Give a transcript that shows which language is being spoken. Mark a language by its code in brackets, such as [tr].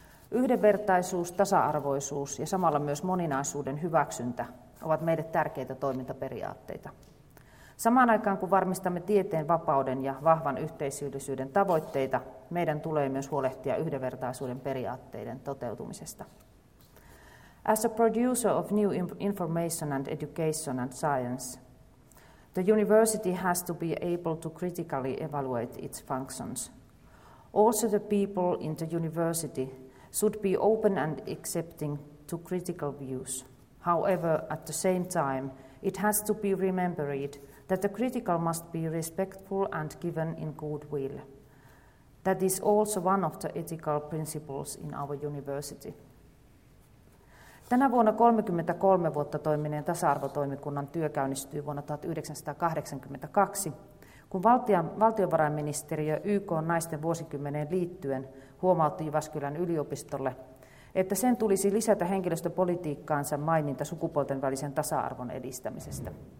[fi] Yhdenvertaisuus, tasa-arvoisuus ja samalla myös moninaisuuden hyväksyntä ovat meille tärkeitä toimintaperiaatteita. Samaan aikaan, kun varmistamme tieteen vapauden ja vahvan yhteisöllisyyden tavoitteita, meidän tulee myös huolehtia yhdenvertaisuuden periaatteiden toteutumisesta. [en] As a producer of new information and education and science, the university has to be able to critically evaluate its functions. Also, the people in the university should be open and accepting to critical views. However, at the same time, it has to be remembered that the critical must be respectful and given in goodwill. That is also one of the ethical principles in our university. [fi] Tänä vuonna 33 vuotta toimineen tasa-arvotoimikunnan työ käynnistyi vuonna 1982, kun valtiovarainministeriö YK:n naisten vuosikymmeneen liittyen huomautti Jyväskylän yliopistolle, että sen tulisi lisätä henkilöstöpolitiikkaansa maininta sukupuolten välisen tasa-arvon edistämisestä.